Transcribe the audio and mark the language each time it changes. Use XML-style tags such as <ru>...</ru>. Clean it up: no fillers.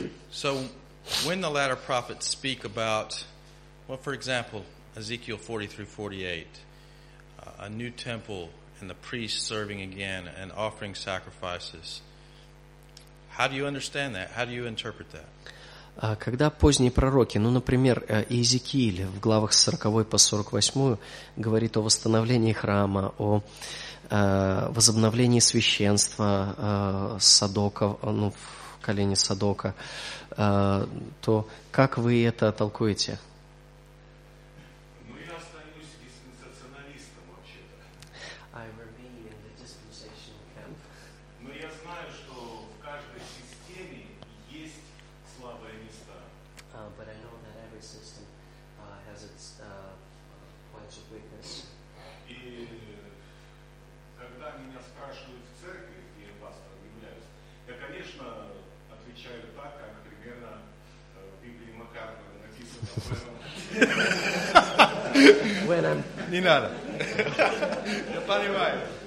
<en>So, when the latter prophets speak about, well, for example, Ezekiel 43:48, a new temple and the priests serving again and offering sacrifices, how do you understand that? How do you interpret that?</en> <ru>Когда поздние пророки, ну, например, Иезекииль в главах с 40 по 48 говорит о восстановлении храма, о возобновлении священства Садока, ну, в колене Садока, то как вы это толкуете? Ну, я останусь диспенсационалистом вообще-то.</ru> <en>I remain in the dispensation camp.</en> <ru>Но я знаю, что в каждой системе есть слабое место.</ru> <en>But I know that every system has its points of weakness.</en> <ru>И когда меня спрашивают в церкви, где я пастором являюсь, я, конечно, отвечаю так, как примерно в Библии Макарта написано. Не надо. Я понимаю.</ru>